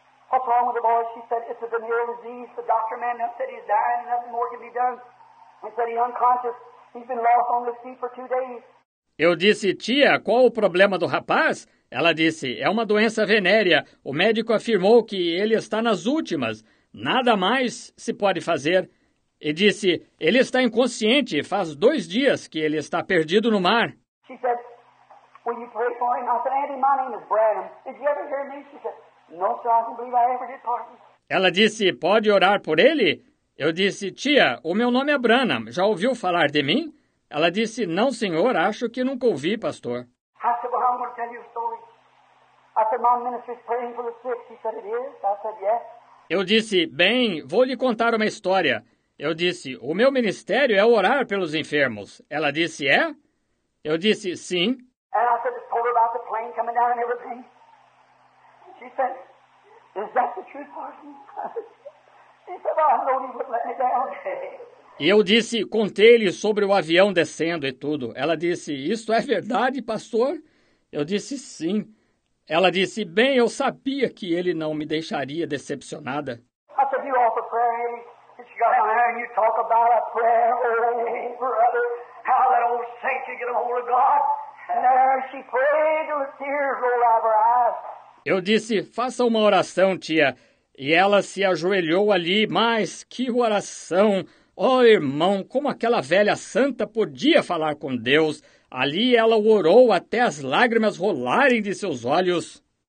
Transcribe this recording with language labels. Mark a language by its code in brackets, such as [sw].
[en] What's wrong with the boy? She said, it's a venereal disease. The doctor man said he's dying. Nothing more can be done. He said he's unconscious. He's been lost on the sea for 2 days. [pt] Eu disse, tia, qual o problema do rapaz? Ela disse, é uma doença venérea. O médico afirmou que ele está nas últimas. Nada mais se pode fazer. E disse, ele está inconsciente. Faz 2 dias que ele está perdido no mar. [en] She said, will you pray for him? I said, Andy, my name is Branham. Did you ever hear me? She said, no, sir, I don't believe I ever did, Parson. [pt] Ela disse, pode orar por ele? Eu disse, tia, o meu nome é Branham. Já ouviu falar de mim? Ela disse, não, senhor, acho que nunca ouvi, pastor. [en] I said, well, I'm going to tell you a story. I said, my ministry's praying for the sick. She said, it is. I said, yes. [pt] Eu disse, bem, vou lhe contar uma história. Eu disse, o meu ministério é orar pelos enfermos. Ela disse, é? Eu disse, sim. [en] And I said, I told her about the plane coming down and everything. She said, is that the truth, Parson? He said, well, I know he wouldn't let me down. [pt] E eu disse, contei-lhe sobre o avião descendo e tudo. Ela disse, isso é verdade, pastor? Eu disse, sim. Ela disse, bem, eu sabia que ele não me deixaria decepcionada. [en] I said, you offer prayer, Amy. She got down there and you talk about a prayer, brother. How that old saint could get a hold of God. And there she prayed with tears rolled out of her eyes. [pt] Eu disse, faça uma oração, tia. E ela se ajoelhou ali, mas que oração. Oh, irmão, como aquela velha santa podia falar com Deus. Ali ela orou até as lágrimas rolarem de seus olhos.